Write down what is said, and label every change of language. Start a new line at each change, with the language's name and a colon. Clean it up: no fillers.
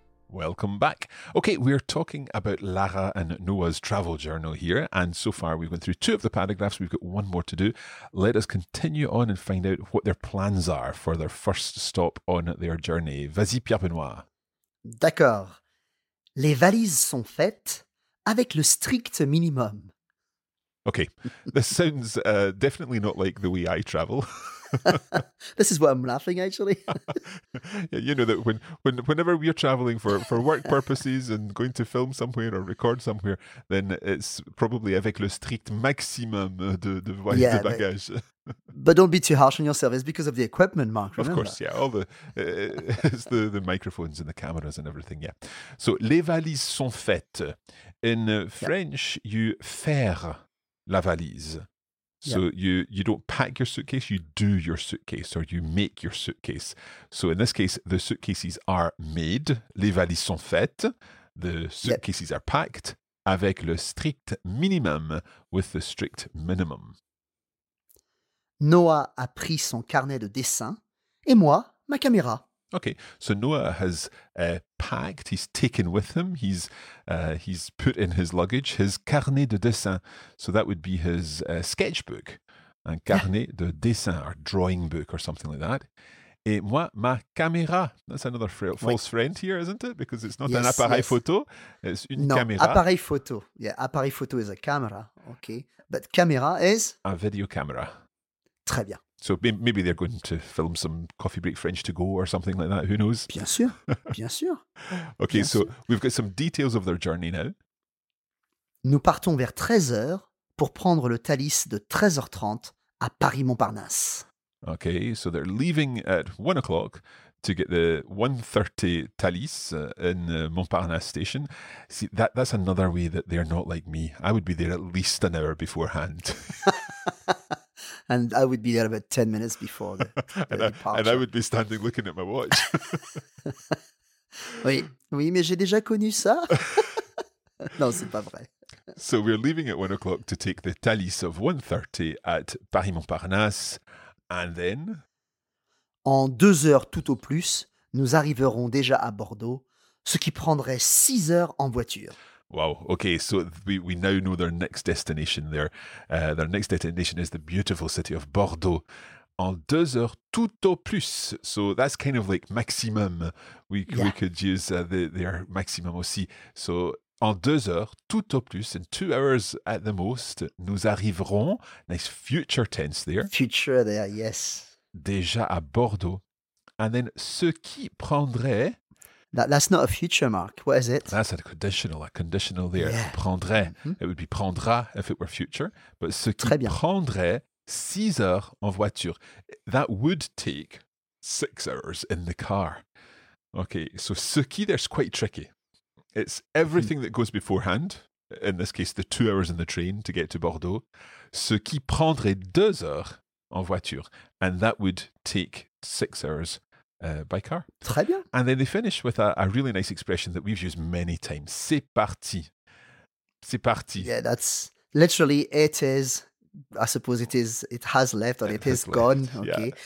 English: Welcome back. Okay, we're talking about Lara and Noah's travel journal here. And so far, we've gone through two of the paragraphs. We've got one more to do. Let us continue on and find out what their plans are for their first stop on their journey.
French: Vas-y, Pierre Benoît. D'accord. Les valises sont faites avec le strict minimum.
English: Okay, this sounds definitely not like the way I travel. This is why I'm laughing, actually. Yeah, you know that whenever we are traveling for work purposes and going to film somewhere or record somewhere, then it's probably
French: avec le strict maximum de bagage.
English: But don't be too harsh on yourself. It's because of the equipment, Mark, remember? Of course, yeah. All the it's the microphones and the cameras and everything, yeah. So,
French: les valises sont faites.
English: In French, you
French: faire la valise.
English: So you don't pack your suitcase, you do your suitcase or you make your suitcase. So in this case, the suitcases are made,
French: les valises sont faites,
English: the suitcases are packed,
French: avec le strict minimum,
English: with the strict minimum.
French: Noah a pris son carnet de dessin et moi, ma caméra.
English: Okay, so Noah has packed, he's taken with him, he's put in his luggage, his
French: carnet de dessin.
English: So that would be his sketchbook,
French: un carnet de dessin,
English: or drawing book, or something like that.
French: Et moi, ma caméra.
English: That's another false friend here, isn't it? Because it's not an
French: appareil photo.
English: It's
French: une caméra. Appareil photo.
English: Yeah,
French: appareil photo
English: is a camera. Okay. But camera is? A video camera.
French: Très bien.
English: So maybe they're going to film some coffee break French to go or something like that. Who knows?
French: Bien sûr. Bien sûr. Okay, bien so sûr.
English: We've got some details of their journey now.
French: Nous partons vers 13h pour prendre le Thalys de 13h30 à Paris-Montparnasse.
English: Okay, so they're leaving at 1 o'clock to get the 1:30 Thalys in Montparnasse station. See, that's another way that they're not like me. I would be there at least an hour beforehand. And I would be there about 10 minutes before the departure. And I would be standing looking at my watch.
French: Oui, oui, mais j'ai déjà connu ça. Non, c'est pas vrai.
English: So we're leaving at 1 o'clock to take the Thalys of 1:30 at Paris-Montparnasse. And then?
French: En 2 heures tout au plus, nous arriverons déjà à Bordeaux, ce qui prendrait 6 heures en voiture.
English: Wow, okay, so we now know their next destination there. Their next destination is the beautiful city of Bordeaux.
French: En 2 heures tout au plus,
English: so that's kind of like maximum. We could use their maximum
French: aussi.
English: So
French: en 2 heures tout au plus,
English: in 2 hours at the most,
French: nous arriverons,
English: nice future tense there. Future there, yes.
French: Déjà à Bordeaux.
English: And then
French: ce qui prendrait...
English: That's not a future, Mark. What is it? That's a conditional there. Yeah.
French: Prendrait.
English: Mm-hmm. It would be
French: prendra
English: if it were future. But
French: ce qui prendrait 6 heures en voiture.
English: That would take 6 hours in the car. Okay, so
French: ce qui
English: there's quite tricky. It's everything that goes beforehand. In this case, the 2 hours in the train to get to Bordeaux.
French: Ce qui prendrait 2 heures en voiture.
English: And that would take 6 hours by car.
French: Très bien.
English: And then they finish with a really nice expression that we've used many times.
French: C'est parti. C'est parti.
English: Yeah, that's literally it is. I suppose it has left. Okay. Yeah.